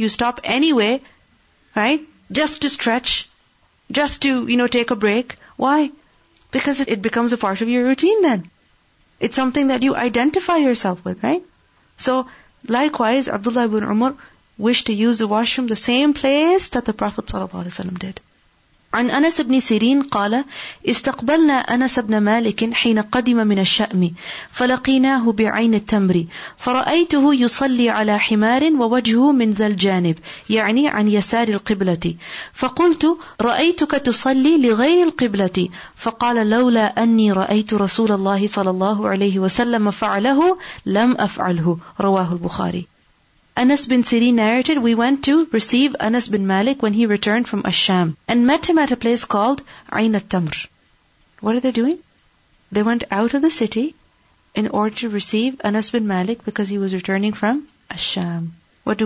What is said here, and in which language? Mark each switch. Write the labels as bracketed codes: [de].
[en] You stop anyway, right? Just to stretch, just to, you know, take a break. Why? Because it becomes a part of your routine then. It's something that you identify yourself with, right? So likewise, Abdullah ibn Umar wished to use the washroom the same place that the Prophet ﷺ did. [ar] عن أنس بن سيرين قال استقبلنا أنس بن مالك حين قدم من الشأم فلقيناه بعين التمر فرأيته يصلي على حمار ووجهه من ذا الجانب يعني عن يسار القبلة فقلت رأيتك تصلي لغير القبلة فقال لولا أني رأيت رسول الله صلى الله عليه وسلم فعله لم أفعله رواه البخاري. [en] Anas bin Sirin narrated, we went to receive Anas bin Malik when he returned from Ash-Sham and met him at a place called Ayn al-Tamr. What are they doing? They went out of the city in order to receive Anas bin Malik because he was returning from Ash-Sham. What do?